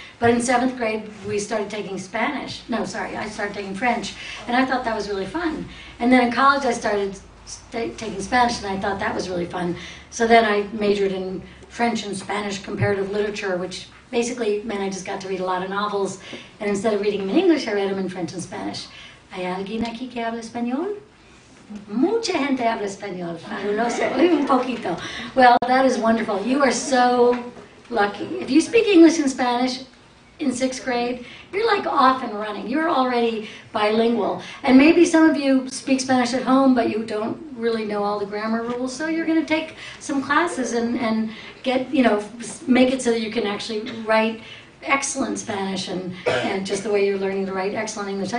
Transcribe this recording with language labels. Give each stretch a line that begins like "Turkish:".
English: But in seventh grade, we started taking Spanish. No, sorry, I started taking French. And I thought that was really fun. And then in college, I started taking Spanish, and I thought that was really fun. So then I majored in French and Spanish comparative literature, which basically meant I just got to read a lot of novels. And instead of reading them in English, I read them in French and Spanish.
Spanish: ¿Hay alguien aquí que habla español? Mucha gente habla español, no sé, un poquito.
English: Well, that is wonderful. You are so lucky. If you speak English and Spanish in sixth grade, you're like off and running. You're already bilingual. And maybe some of you speak Spanish at home, but you don't really know all the grammar rules, so you're going to take some classes and get, you know, make it so that you can actually write excellent Spanish and just the way you're learning to write excellent English.